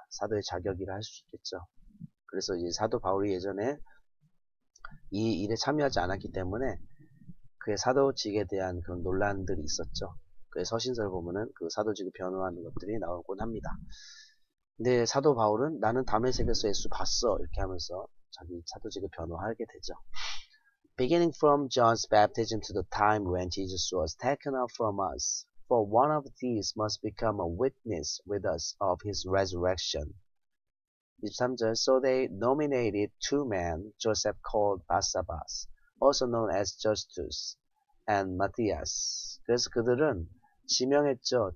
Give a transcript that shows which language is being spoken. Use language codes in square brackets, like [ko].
[ko] 사도의 자격이라 할 수 있겠죠. 그래서 이제 사도 바울이 예전에 이 일에 참여하지 않았기 때문에 그의 사도직에 대한 그런 논란들이 있었죠. 그의 서신서를 보면은 그 사도직을 변호하는 것들이 나오곤 합니다. 근데 사도 바울은 나는 다메섹에서 예수 봤어. 이렇게 하면서 자기 사도직을 변호하게 되죠. [en] Beginning from John's baptism to the time when Jesus was taken up from us, for one of these must become a witness with us of his resurrection. 23절, so they nominated two men, Joseph called Barsabbas, also known as Justus, and Matthias. [ko] 그래서 그들은 지명했죠.